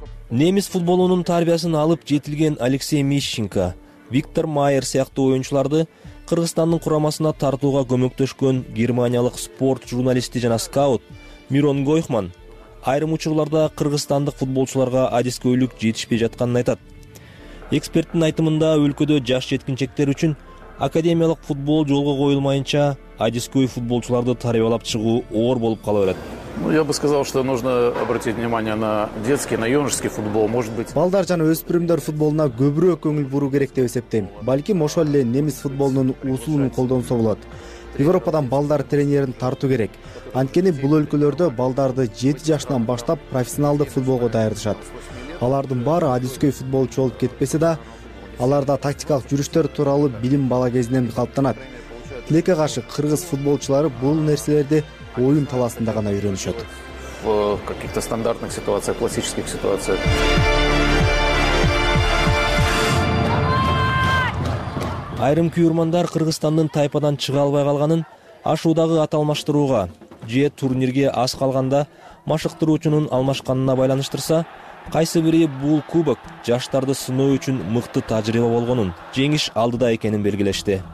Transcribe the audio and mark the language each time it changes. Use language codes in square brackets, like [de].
[ky] Немис футболунун тарбиясын алып жетилген Алексей Мищенко, Виктор Майер сыяктуу оюнчуларды Кыргызстандын курамасына тартууга көмөктөшкөн германиялык спорт журналисти жана скаут Мирон Гойхман айрым учурларда кыргызстандык футболчуларга адискөйлүк жетишпей жатканын айтат. Эксперттин айтымында өлкөдө жаш жеткинчектер үчүн академиялык футбол жолго коюлмайынча адискөй футболчуларды тарбиялап чыгуу оор болуп кала берет. [ru] Ну, я бы сказал, что нужно обратить внимание на детский, на юношеский футбол, может быть. [ky] Балдар жана өспүрүмдөр футболуна көбүрөөк көңүл буруу керек деп эсептейм. Балким ошол эле немис футболунун усулун колдонсо болот. Европадан балдар тренерин тартуу керек. Анткени бул өлкөлөрдө балдарды 7 жаштан баштап профессионалдык футболго даярдашат. Алардын баары адискөй футболчу болуп кетпесе да, аларда тактикалык жүрүштөр тууралуу билим бала кезинен калыптанат. Тилекке каршы кыргыз футболчулары бул нерселерди оюн талаасында гана үйрөнүшөт. [ru] В каких-то стандартных ситуациях, классических ситуациях. [ky] Айрым күйүрмандар Кыргызстандын тайпадан чыга албай калганын ашуудагы аталмаштырууга же турнирге аз калганда машыктыруучунун алмашканына байланыштырса, кайсы бири бул кубок жаштарды сыноо үчүн мыкты тажрыйба болгонун, жеңиш алдыда экенин белгилешти.